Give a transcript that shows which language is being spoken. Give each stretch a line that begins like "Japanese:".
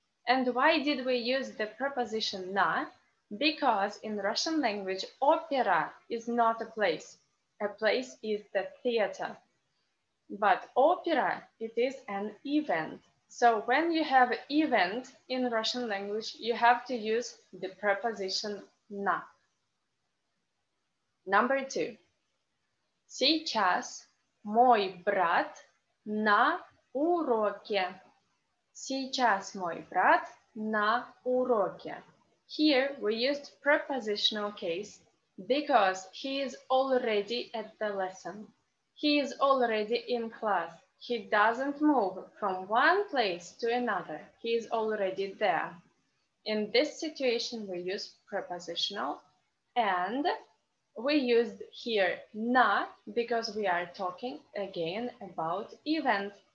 English: And why did we use the preposition na? Because in Russian language, opera is not a place. A place is the theater. But opera, it is an event. So when you have event in Russian language, you have to use the preposition na. Number 2.
Russian: Сейчас мой брат на уроке. Сейчас мой брат на уроке.
English: Here we used prepositional case because he is already at the lesson. He is already in class. He doesn't move from one place to another. He is already there. In this situation, we use prepositional and we used here na because we are talking again about event.